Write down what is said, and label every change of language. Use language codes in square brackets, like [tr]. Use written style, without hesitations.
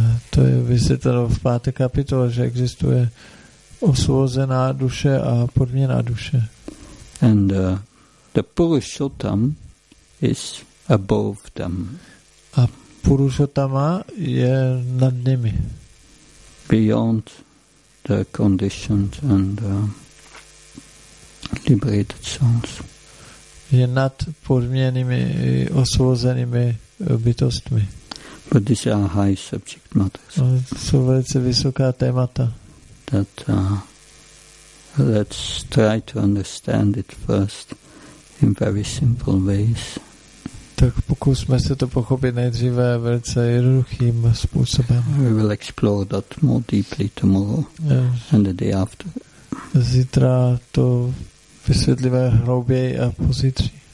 [cs] To je vysvětleno v páté kapitole, že existuje osvobozená duše a podmíněná duše. [en] And the Purushottam is above them. [cs] A Purushottama je nad nimi. [en] Beyond the conditioned and liberated souls. [cs] Je nad podmíněnými i osvobozenými bytostmi. [en] But these are high subject matters. [cs] To jsou velice vysoká témata. [en] That let's try to understand it first in very simple ways. [cs] Tak pokusme se to pochopit nejdříve velice jednoduchým způsobem. [en] We will explore that more deeply tomorrow and the day after. [cs] Zítra to vysvětlíme hlouběji a pozítří.